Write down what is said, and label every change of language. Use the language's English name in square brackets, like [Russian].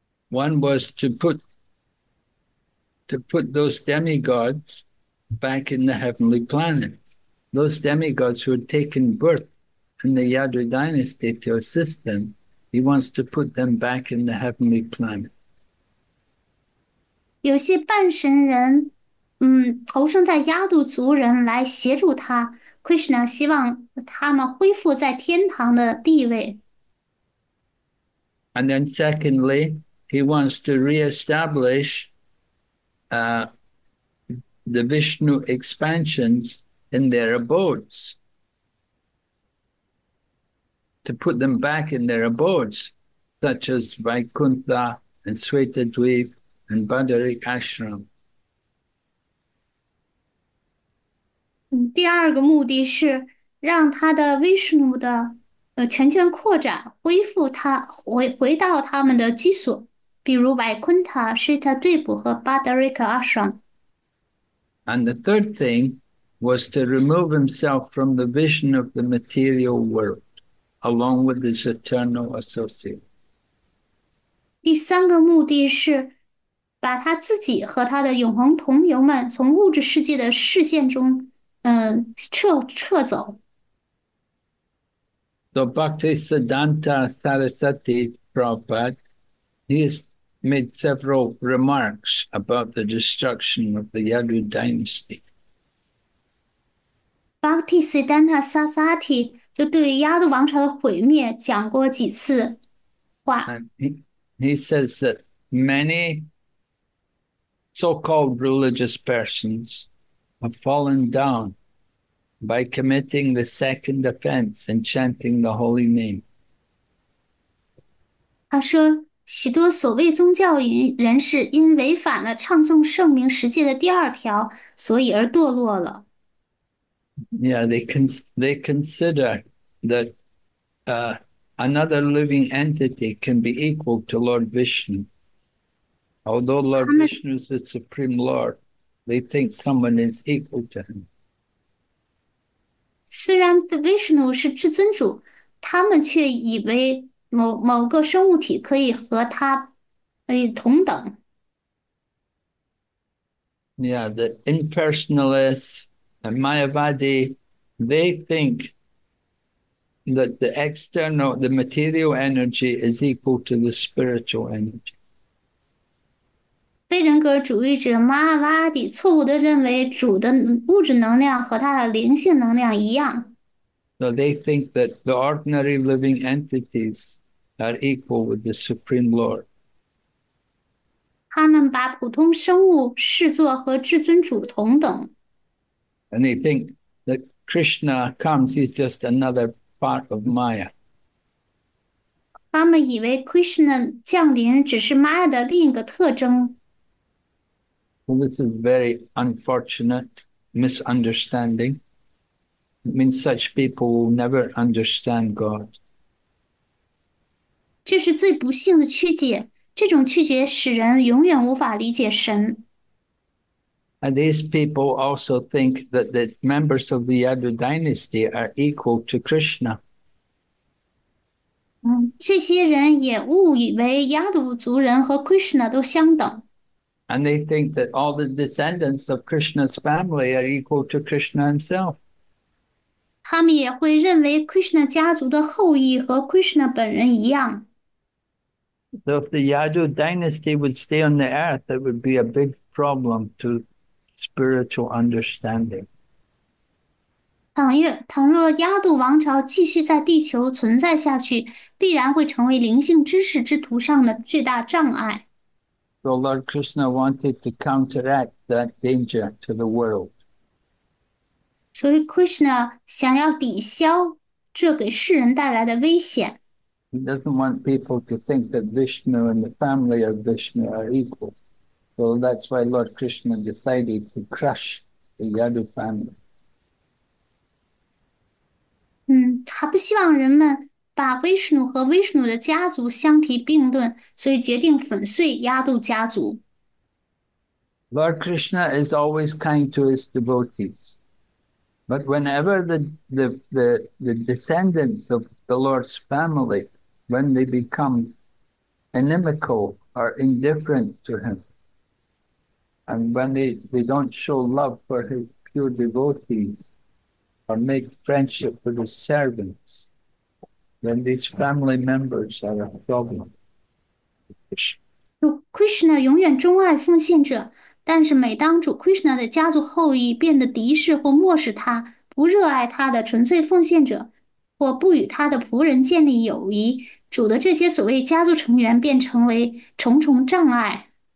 [English] One was to put those demigods back in the heavenly planets, those demigods who had taken birth in the Yadu dynasty to assist them. He wants to put them back in the heavenly planets. [Chinese] 有些半神人，投生在亚杜族人来协助他。 Krishna 希望他们恢复在天堂的地位。 [English] And then secondly, he wants to re-establish the Vishnu expansions in their abodes, to put them back in their abodes, such as Vaikuntha and Swetadweep and Badarik Ashram. [Chinese] 第二个目的是让他的 Vishnu 的权限扩展，恢复他回到他们的居所，比如 Vaikuntha、Shitadweep 和 Badarika Ashram。 [English] And the third thing was to remove himself from the vision of the material world, along with his eternal associate. [Chinese] 第三个目的是把他自己和他的永恒同游们从物质世界的视线中。撤走。 [English] So Bhaktisiddhanta Sarasvati Prabhupada, he made several remarks about the destruction of the Yadu dynasty. [Chinese] Bhaktisiddhanta Sarasvati 就对亚德王朝的毁灭讲过几次话。 [English] And he says that many so-called religious persons have fallen down by committing the second offense in chanting the holy name. [Chinese] 他说：“许多所谓宗教人士因违反了唱诵圣名十诫的第二条，所以而堕落了。 [English] Yeah, they consider that another living entity can be equal to Lord Vishnu. Although Lord [Chinese] 他们。 [English] Vishnu is the Supreme Lord, they think someone is equal to him. [Chinese] 虽然 Vishnu 是至尊主，他们却以为。某个生物体可以和它，同等。 [English] Yeah, the impersonalists, the Mayavadi, they think that the material energy is equal to the spiritual energy. [Chinese] 非人格主义者马哈瓦迪错误地认为主的物质能量和他的灵性能量一样。 [English] So they think that the ordinary living entities are equal with the Supreme Lord. [Chinese] 他们把普通生物视作和至尊主同等。 [English] And they think that Krishna comes, he's just another part of Maya. [Chinese] 他们以为 Krishna 降临只是 Maya 的另一个特征。 [English] Well, this is very unfortunate misunderstanding. It means such people will never understand God. [Chinese] 这是最不幸的曲解。这种曲解使人永远无法理解神。 [English] And these people also think that the members of the Yadu dynasty are equal to Krishna. [Chinese] 这些人也误以为亚都族人和 Krishna 都相等。 [English] And they think that all the descendants of Krishna's family are equal to Krishna himself. [Chinese] 他们也会认为 Krishna 家族的后裔和 Krishna 本人一样。 [English] So, if the Yadu dynasty would stay on the earth, it would be a big problem to spiritual understanding. [Chinese] 倘若亚度王朝继续在地球存在下去，必然会成为灵性知识之途上的巨大障碍。 [English] So, Lord Krishna wanted to counteract that danger to the world. [Chinese] 所以，Krishna 想要抵消这给世人带来的危险。 [English] He doesn't want people to think that Vishnu and the family of Vishnu are equal. So that's why Lord Krishna decided to crush the Yadu family. [Chinese] 他不希望人们把威士努和威士努的家族相提并论，所以决定粉碎亚度家族。 [English] Lord Krishna is always kind to his devotees. But whenever the descendants of the Lord's family, when they become inimical or indifferent to him, and when they don't show love for his pure devotees or make friendship with his servants, then these family members are a problem. [Chinese] Krishna 永远钟爱奉献者，但是每当主 Krishna 的家族后裔变得敌视或漠视他，不热爱他的纯粹奉献者，或不与他的仆人建立友谊，主的这些所谓家族成员便成为重重障碍。